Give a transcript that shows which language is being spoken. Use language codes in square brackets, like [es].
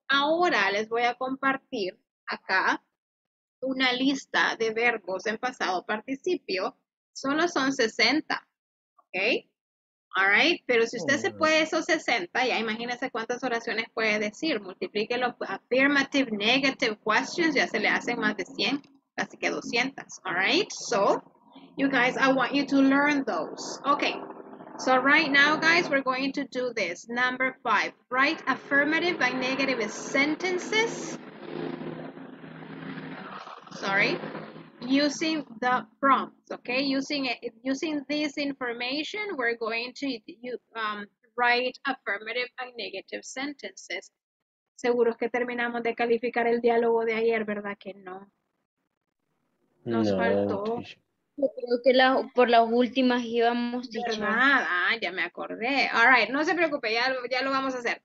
[es] Ahora les voy a compartir acá una lista de verbos en pasado participio, solo son 60, ¿ok? All right, pero si usted se puede esos 60, ya imagínese cuántas oraciones puede decir, multiplíquelo, affirmative, negative questions, ya se le hacen más de 100, casi que 200, all right? [en] So, you guys, I want you to learn those. Okay, so right now, guys, we're going to do this. Number five, write affirmative and negative sentences. Sorry, using the prompts, okay? Using this information, we're going to write affirmative and negative sentences. [es] Seguro que terminamos de calificar el diálogo de ayer, ¿verdad que no? Nos No, faltó. teacher. Yo creo que por las últimas íbamos, ¿Verdad? teacher. Ah, ya me acordé. All right, no se preocupe, ya lo vamos a hacer.